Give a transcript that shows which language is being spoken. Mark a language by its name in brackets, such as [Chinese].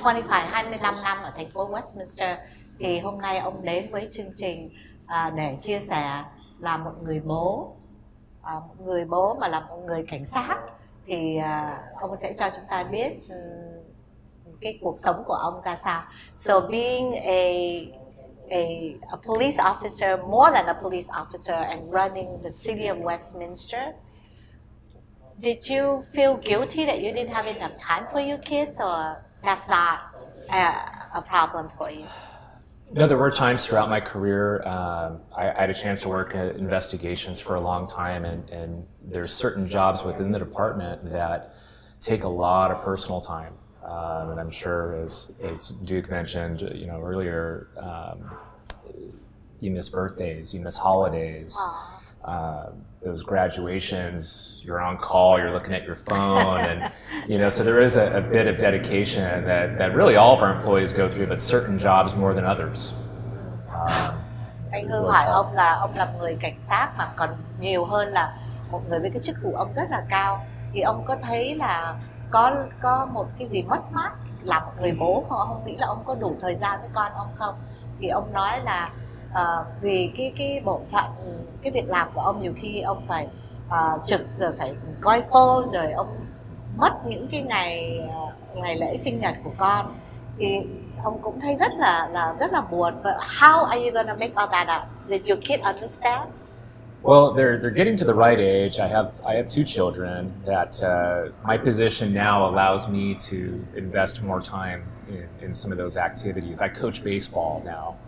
[Vietnamese] 25 năm ở thành phố Westminster. Thì hôm nay ông đến với chương trình để chia sẻ là một người bố, mà là một người cảnh sát. Thì ông sẽ cho chúng ta biết cái cuộc sống của ông ra sao. [English] So being a police officer, more than a police officer, and running the city of Westminster, did you feel guilty that you didn't have enough time for your kids, or that's not a problem for you? No, there were times throughout my career. I had a chance to work at investigations for a long time, and there's certain jobs within the department that take a lot of personal time. And I'm sure, as Duke mentioned, you know, earlier, you miss birthdays, you miss holidays, those graduations, you're on call, you're looking at your phone, and, you know, so there is a bit of dedication that really all of our employees go through, but certain jobs more than others. [Vietnamese] Anh Hương hỏi ông là người cảnh sát mà còn nhiều hơn là một người với cái chức vụ ông rất là cao, thì ông có thấy là có một cái gì mất mát là một người bố, họ không nghĩ là ông có đủ thời gian với con ông không, thì ông nói là vì cái bộ phận cái việc làm của ông nhiều khi ông phải trực rồi phải coi phone rồi ông mất những cái ngày ngày lễ sinh nhật của con, thì ông cũng thấy rất là buồn. [English] But how are you gonna make all that up? Did your kid understand? Well, they're getting to the right age. I have two children that my position now allows me to invest more time in some of those activities. I coach baseball now.